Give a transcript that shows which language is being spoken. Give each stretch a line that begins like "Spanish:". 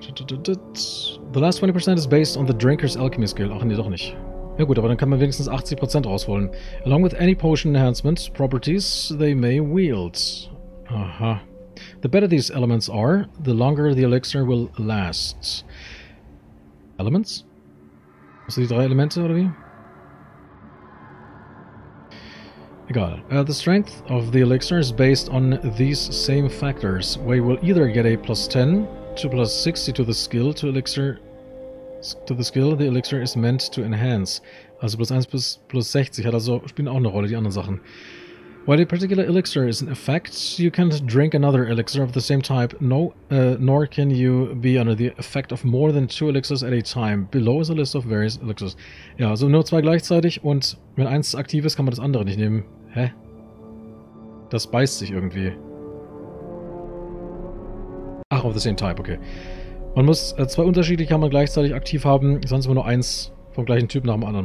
English: The last 20% is based on the Drinker's Alchemy Skill.
German: Ach nee, doch nicht. Ja gut, aber dann kann man wenigstens 80% rausholen.
English: Along with any potion enhancement properties they may wield. Aha. The better these elements are, the longer the elixir will last. Elements?
German: Also die drei Elemente, oder wie? Egal.
English: The strength of the elixir is based on these same factors. We will either get a plus 10 to plus 60 to the skill to elixir... To the skill the elixir is meant to enhance.
German: Also plus 1 plus, plus 60 hat also... Spielen auch eine Rolle, die anderen Sachen.
English: While a particular elixir is an effect, you can't drink another elixir of the same type, nor can you be under the effect of more than two elixirs at a time. Below is a list of various elixirs.
German: Ja, also nur zwei gleichzeitig und wenn eins aktiv ist, kann man das andere nicht nehmen. Hä? Das beißt sich irgendwie. Ach,
English: of the same type,
German: okay. Man muss zwei unterschiedliche kann man gleichzeitig aktiv haben, sonst immer nur eins vom gleichen Typ nach dem anderen.